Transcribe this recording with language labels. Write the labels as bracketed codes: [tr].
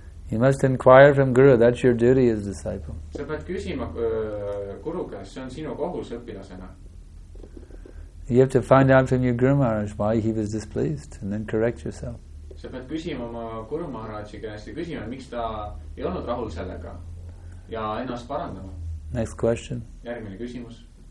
[en] You must inquire from Guru, that's your duty as a disciple. [et] Sa pead küsima Guru käest, see on sinu kohus õpilasena. [en] You have to find out from your Guru Maharaj why he was displeased, and then correct yourself. [et] Sa pead küsima oma Guru Maharaji käest ja küsima, miks ta ei olnud rahul sellega ja ennast parandama. [en] Next question. [et] Järgmine küsimus.